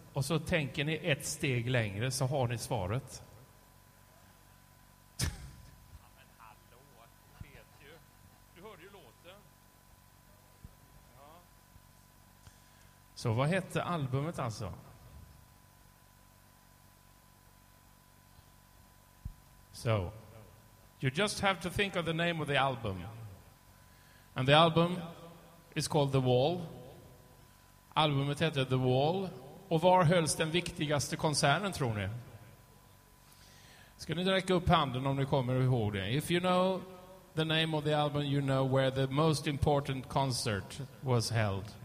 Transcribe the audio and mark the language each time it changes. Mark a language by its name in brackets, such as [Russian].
[Swedish] Och så tänker ni ett steg längre så har ni svaret. Ja, men hallå, vet ju. Du hörde ju låten. Ja. Så vad heter albumet alltså? [English] So, you just have to think of the name of the album. And the album is called The Wall. [Swedish] Albumet heter The Wall. Och var hölls den viktigaste konserten, tror ni? Ska ni räcka upp handen om ni kommer ihåg det? [English] If you know the name of the album, you know where the most important concert was held.